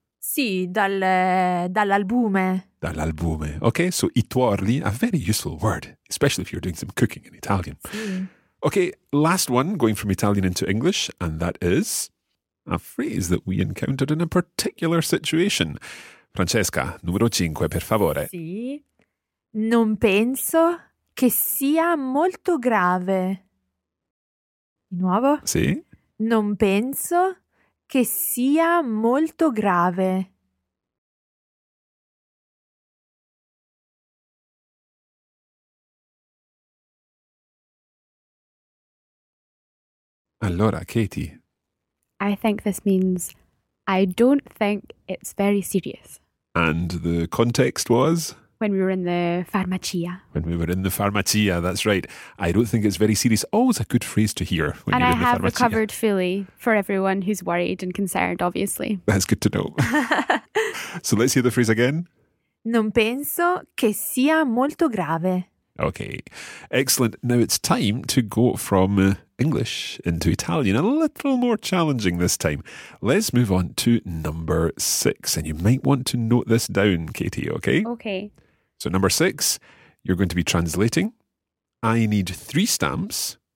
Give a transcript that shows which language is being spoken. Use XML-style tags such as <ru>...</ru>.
<it>Sì, dall'albume. Dall'albume.</it> <en>Okay, so i tuorli, a very useful word, especially if you're doing some cooking in Italian.</en> <it>Sì.</it> <en>Okay, last one, going from Italian into English, and that is a phrase that we encountered in a particular situation.</en> <it>Francesca, numero 5, per favore. Sì. Non penso che sia molto grave. Di nuovo? Sì. Non penso che sia molto grave. Allora, Katie.</it> <en>I think this means, I don't think it's very serious. And the context was? When we were in the farmacia. When we were in the farmacia, that's right. I don't think it's very serious. Always a good phrase to hear when and you're I in the And I have recovered fully for everyone who's worried and concerned, obviously. That's good to know. So let's hear the phrase again.</en> <it>Non penso che sia molto grave.</it> <en>Okay, excellent. Now it's time to go from English into Italian. A little more challenging this time. Let's move on to number 6. And you might want to note this down, Katie, okay? Okay. So number 6, you're going to be translating. I need 3 stamps.</en>